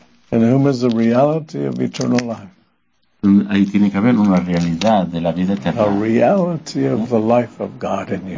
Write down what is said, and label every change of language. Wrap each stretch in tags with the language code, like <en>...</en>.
<en>And whom is the reality of eternal life?</en> <es>Ahí tiene que haber una realidad de la vida eterna.</es> <en>A reality of the life of God in you.</en>